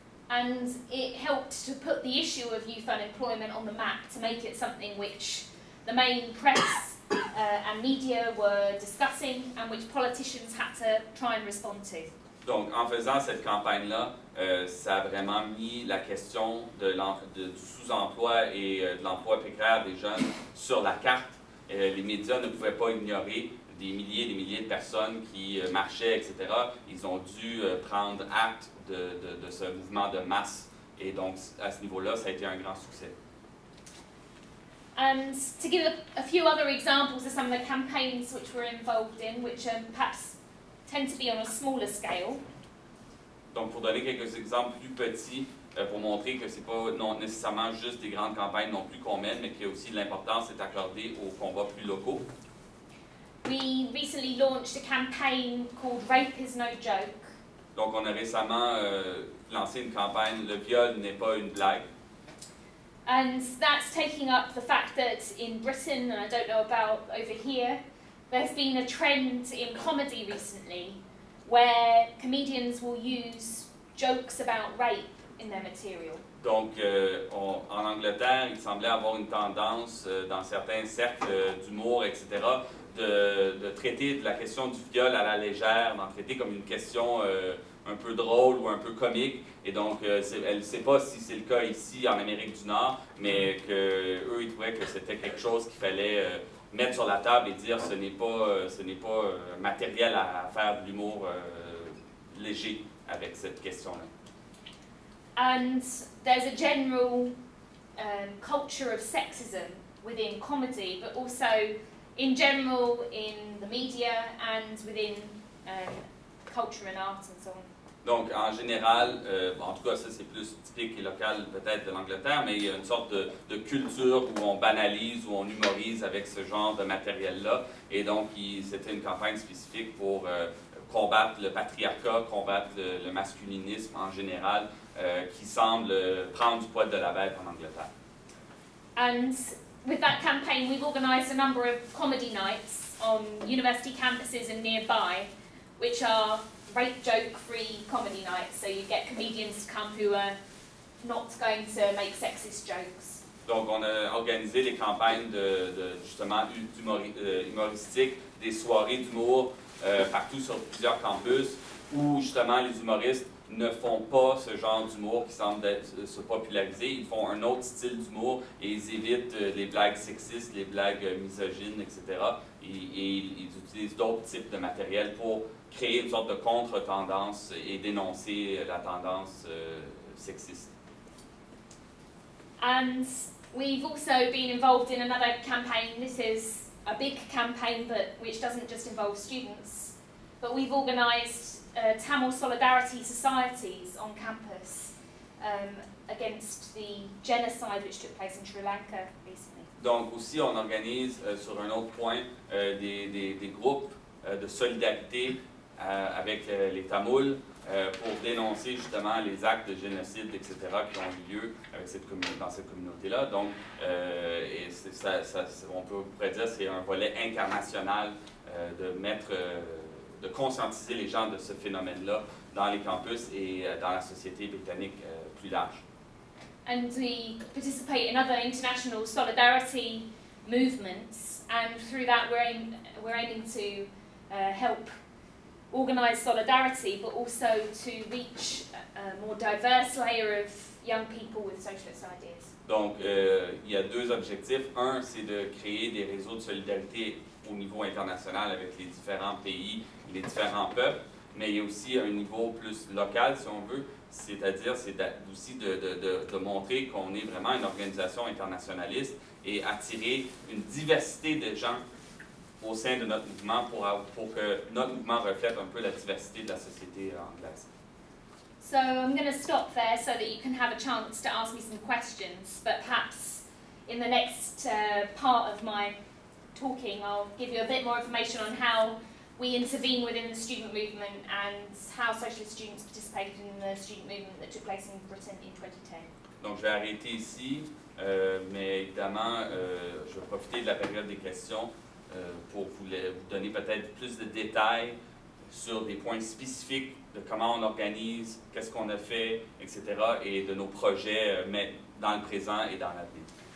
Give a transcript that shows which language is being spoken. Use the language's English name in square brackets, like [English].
[English] And it helped to put the issue of youth unemployment on the map, to make it something which the main press and media were discussing and which politicians had to try and respond to. [French] Donc, en faisant cette campagne-là, ça a vraiment mis la question de du sous-emploi et de l'emploi précaire des jeunes sur la carte. Les médias ne pouvaient pas ignorer des milliers de personnes qui marchaient, etc. Ils ont dû prendre acte de ce mouvement de masse. Et donc, à ce niveau-là, ça a été un grand succès. [English] And to give a few other examples of some of the campaigns which we're involved in, which perhaps tend to be on a smaller scale. [French] Donc, pour donner quelques exemples plus petits, pour montrer que ce n'est pas non, nécessairement juste des grandes campagnes non plus qu'on mène, mais qu'il y a aussi de l'importance est accordée aux combats plus locaux. [English] We recently launched a campaign called Rape is No Joke. [French] Donc, on a récemment lancé une campagne, Le viol n'est pas une blague. [English] And that's taking up the fact that in Britain, I don't know about over here, there's been a trend in comedy recently where comedians will use jokes about rape in their material. [French] Donc, en Angleterre, il semblait avoir une tendance dans certains cercles d'humour, etc., de traiter de la question du viol à la légère, d'en traiter comme une question un peu drôle ou un peu comique. Et donc, elle ne sait pas si c'est le cas ici, en Amérique du Nord, mais qu'eux, ils trouvaient que c'était quelque chose qu'il fallait mettre sur la table et dire ce n'est pas matériel à faire de l'humour léger avec cette question-là. [English] And there's a general culture of sexism within comedy, but also in general in the media and within culture and art and so on. [French] Donc, en général, en tout cas, ça c'est plus typique et local peut-être de l'Angleterre, mais il y a une sorte de culture où on banalise, où on humorise avec ce genre de matériel-là. Et donc, c'était une campagne spécifique pour combattre le patriarcat, combattre le masculinisme en général, qui semble prendre du poids de la bête en Angleterre. [English] And with that campaign, we've organized a number of comedy nights on university campuses and nearby, which are rape joke-free comedy nights, so you get comedians to come who are not going to make sexist jokes. [French] Donc, on a organisé des campagnes de justement humoristiques, des soirées d'humour partout sur plusieurs campus où justement les humoristes ne font pas ce genre d'humour qui semble se populariser. Ils font un autre style d'humour et ils évitent les blagues sexistes, les blagues misogynes, etc. Et ils utilisent d'autres types de matériel pour créer une sorte de contre-tendance et dénoncer la tendance sexiste. [English] And we've also been involved in another campaign. This is a big campaign, but which doesn't just involve students. But we've organized Tamil solidarity societies on campus against the genocide which took place in Sri Lanka recently. [French] Donc aussi, on organise sur un autre point des groupes de solidarité avec les Tamouls pour dénoncer justement les actes de génocide, etc., qui ont eu lieu avec cette communauté-là. Donc, on pourrait dire que c'est un volet international de conscientiser les gens de ce phénomène-là dans les campus et dans la société britannique plus large. [English] And we participate in other international solidarity movements, and through that we're aiming to help organize solidarity, but also to reach a more diverse layer of young people with socialist ideas. [French] Donc, il y a deux objectifs. Un, c'est de créer des réseaux de solidarité au niveau international avec les différents pays, les différents peuples, mais il y a aussi un niveau plus local, si on veut, C'est-à-dire, c'est aussi de montrer qu'on est vraiment une organisation internationaliste et attirer une diversité de gens au sein de notre mouvement pour que notre mouvement reflète un peu la diversité de la société anglaise. [English] So I'm going to stop there so that you can have a chance to ask me some questions, but perhaps in the next part of my talking, I'll give you a bit more information on how we intervene within the student movement and how Socialist Students participated in the student movement that took place in Britain in 2010. [French] Donc je vais arrêter ici, mais évidemment, je vais profiter de la période des questions pour vous donner peut-être plus de détails sur des points spécifiques de comment on organise, qu'est-ce qu'on a fait, etc., et de nos projets mais dans le présent et dans l'avenir.